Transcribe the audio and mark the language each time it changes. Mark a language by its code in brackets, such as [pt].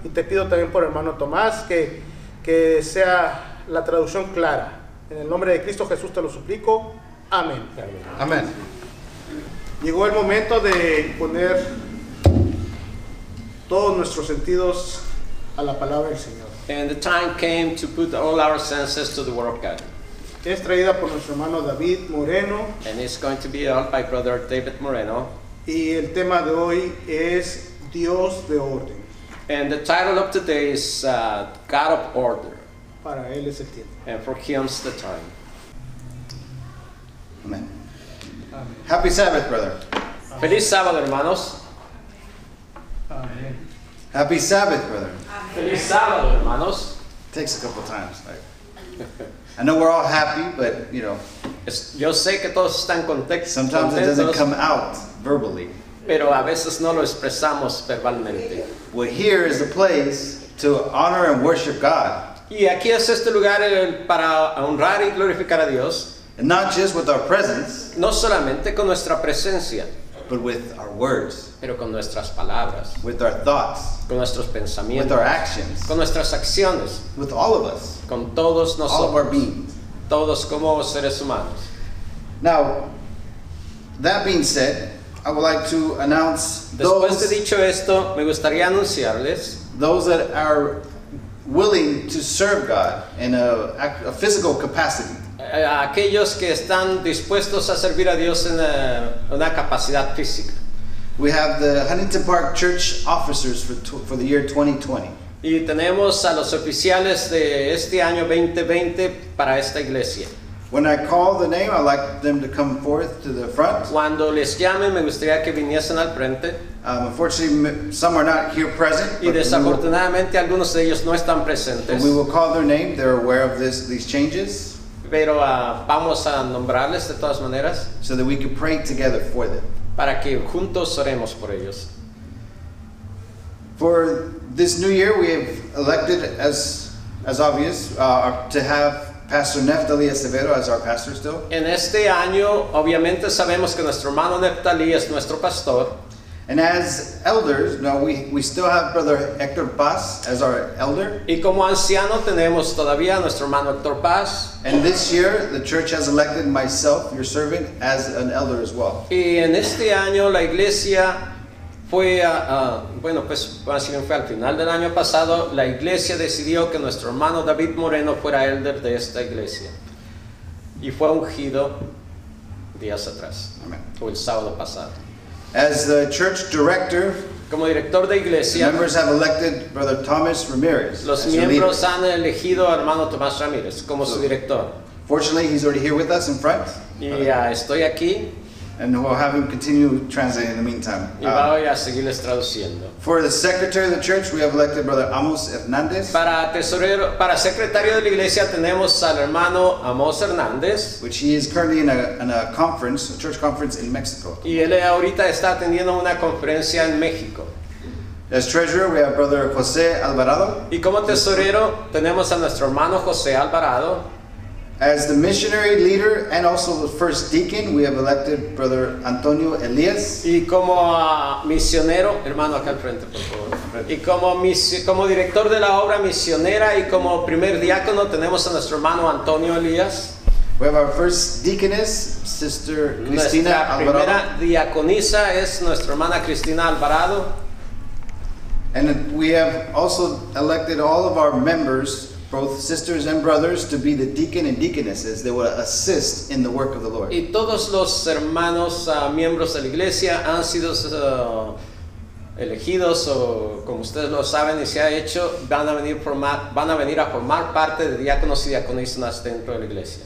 [es] Y te pido también por hermano Tomás que sea la traducción clara. En el nombre de Cristo Jesús te lo suplico. Amén. Amén. Llegó el momento de poner todos nuestros sentidos a la palabra del Señor. [en] And the time came to put all our senses to the word of God. [es] Es traída por nuestro hermano David Moreno. [en] And it's going to be held by brother David Moreno. [es] Y el tema de hoy es Dios de orden. [en] And the title of today is God of Order. [es] Para él es el tiempo. [en] And for him is the time. Amen. Amen. Happy Sabbath, brother. [es] Amen. Feliz sábado, hermanos. Amen. [en] Happy Sabbath, brother. [es] Feliz sábado, hermanos. [en] Takes a couple times. I know we're all happy, but you know. [es] Yo sé que todos están contentos. [en] Sometimes it doesn't come out verbally. [es] Pero a veces no lo expresamos verbalmente. [en] Well, here is the place to honor and worship God. [es] Y aquí es este lugar para honrar y glorificar a Dios. [en] And not just with our presence. [es] No solamente con nuestra presencia. [en] But with our words, [es] pero con nuestras palabras, [en] with our thoughts, [es] con nuestros pensamientos, [en] with our actions, [es] con nuestras acciones, [en] with all of us, [es] con todos nosotros, [en] all of our beings, [es] todos como seres humanos. [en] Now, that being said, I would like to announce [es] después de dicho esto, me gustaría anunciarles [en] those that are willing to serve God in a physical capacity. [es] Aquellos que están dispuestos a servir a Dios en una capacidad física. [en] We have the Huntington Park Church officers for the year 2020. [es] Y tenemos a los oficiales de este año 2020 para esta iglesia. [en] When I call the name, I like them to come forth to the front. [es] Cuando les llame, me gustaría que viniesen al frente. [en] Unfortunately, some are not here present. [es] Y desafortunadamente, algunos de ellos no están presentes. [en] But we will call their name. They're aware of these changes. [es] Pero vamos a nombrarles de todas maneras. [en] So that we can pray together for them. [es] Para que juntos oremos por ellos. [en] For this new year, we have elected, as obvious, to have Pastor Neftali Acevedo as our pastor still. [es] En este año, obviamente sabemos que nuestro hermano Neftali es nuestro pastor. [en] And as elders, no, we still have Brother Hector Paz as our elder. [es] Y como anciano tenemos todavía nuestro hermano Hector Paz. [en] And this year, the church has elected myself, your servant, as an elder as well. [es] Y en este año la iglesia fue bueno, pues así fue al final del año pasado, la iglesia decidió que nuestro hermano David Moreno fuera elder de esta iglesia. Y fue ungido días atrás. Amen. O el sábado pasado. [en] As the church director, [es] como director de iglesia, [en] the members have elected Brother Thomas Ramirez. [es] Los miembros han elegido a hermano Tomás Ramírez como su director. [en] Fortunately, he's already here with us in front. [es] Y estoy aquí. [en] And we'll have him continue translating in the meantime. [es] Y voy a seguirles traduciendo. [en] For the secretary of the church, we have elected Brother Amos Hernández. [es] Para tesorero, para secretario de la iglesia tenemos al hermano Amos Hernández, [en] which he is currently in a conference, a church conference in Mexico. [es] Y él ahorita está atendiendo una conferencia en México. [en] As treasurer, we have Brother José Alvarado. [es] Y como tesorero tenemos a nuestro hermano José Alvarado. [en] As the missionary leader and also the first deacon, we have elected Brother Antonio Elias. [es] Y como misionero, hermano acá al frente, por favor. Y como director de la obra misionera y como primer diácono, tenemos a nuestro hermano Antonio Elias. [en] We have our first deaconess, Sister Cristina Alvarado. [es] Nuestra primera diaconisa es nuestra hermana Cristina Alvarado. [en] And we have also elected all of our members, both sisters and brothers, to be the deacon and deaconesses that will assist in the work of the Lord. [es] Y todos los hermanos miembros de la iglesia han sido elegidos, o como ustedes lo saben y se ha hecho, van a venir a formar parte de diáconos y diaconisas dentro de la iglesia.